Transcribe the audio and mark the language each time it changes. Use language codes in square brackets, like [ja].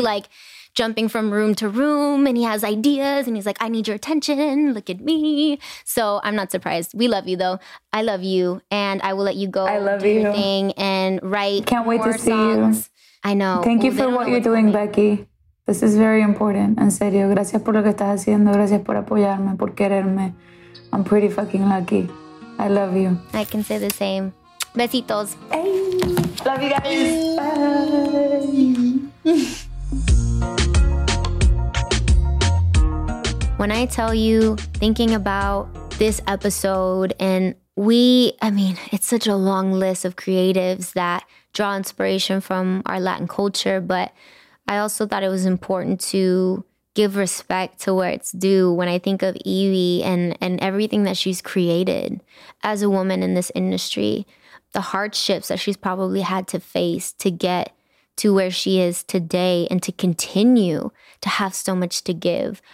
[en] Like, jumping from room to room, and he has ideas, and he's like, I need your attention, look at me. So I'm not surprised. We love you, though. I love you, and I will let you go. I love you. Thing and write more songs. Can't wait to see you. I know. Thank you for what you're doing, Becky. This is very important. [es] En serio, gracias por lo que estás haciendo. Gracias por apoyarme, por quererme. [en] I'm pretty fucking lucky. I love you. I can say the same. Besitos. Hey. Love you guys. Hey. Bye. When I tell you, thinking about this episode, and it's such a long list of creatives that draw inspiration from our Latin culture, but I also thought it was important to give respect to where it's due when I think of Evie and everything that she's created as a woman in this industry, the hardships that she's probably had to face to get to where she is today and to continue to have so much to give.